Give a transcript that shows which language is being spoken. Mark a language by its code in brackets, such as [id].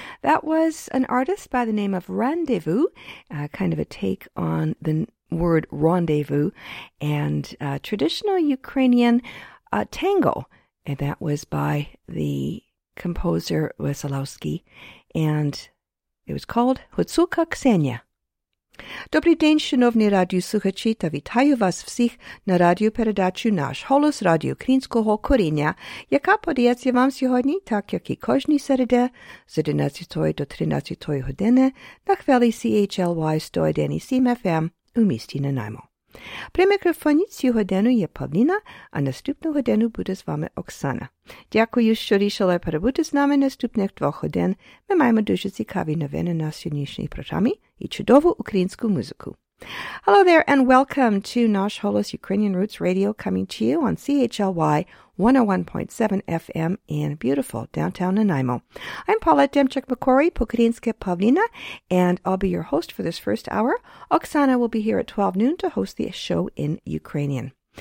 [en] That was an artist by the name of Rendezvous, kind of a take on the word rendezvous, and a traditional Ukrainian tango, and that was by the composer Wesolowski, and it was called Hutsuka Ksenia. [uk] Добрий день, шановні радіослухачі, та вітаю вас всіх на радіопередачу «Наш голос» Радіо Українського коріння, яка подається вам сьогодні, так як і кожній середи, з 11 до 13 години на хвилі CHLY 101.7 FM у місті Нанаймо. При мікрофоні цю годину є Павліна, а наступну годину буде з вами Оксана. Дякую, що рішили перебути з нами наступних двох годин. Ми маємо дуже цікаві новини на сьогоднішній програмі і чудову українську музику. [en] Hello there and welcome to Nash Holos Ukrainian Roots Radio, coming to you on CHLY 101.7 FM in beautiful downtown Nanaimo. I'm Paulette Demchuk-McCory, Pukadinska Pavlina, and I'll be your host for this first hour. Oksana will be here at 12 noon to host the show in Ukrainian.